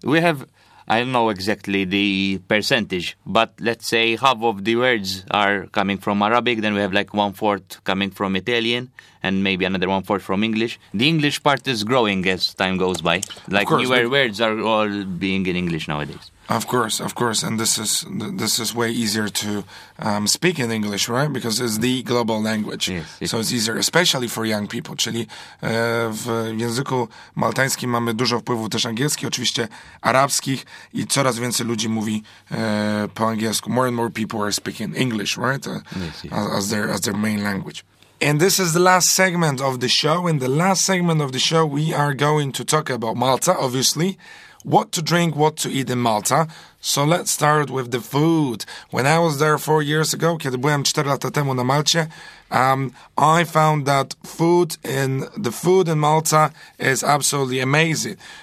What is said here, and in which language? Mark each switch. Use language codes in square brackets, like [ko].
[en] We have, I don't know exactly the percentage, but let's say half of the words are coming from Arabic, then we have like one-fourth coming from Italian, and maybe another one-fourth from English. The English part is growing as time goes by. Like, of course, newer words are all being in English nowadays. Of course, and this is way easier to speak in English, right? Because it's the global language, yes. So it's easier, especially for young people. [pl] Czyli w języku maltańskim mamy dużo wpływu też angielski, oczywiście arabskich, i coraz więcej ludzi mówi po angielsku. [en] More and more people are speaking English, right? Yes. As their main language. And this is the last segment of the show. In the last segment of the show, we are going to talk about Malta, obviously. What to drink, what to eat in Malta. So let's start with the food. When I was there 4 years ago, [pl] kiedy byłem 4 lata temu na Malcie, [en] I found that food in Malta is absolutely amazing.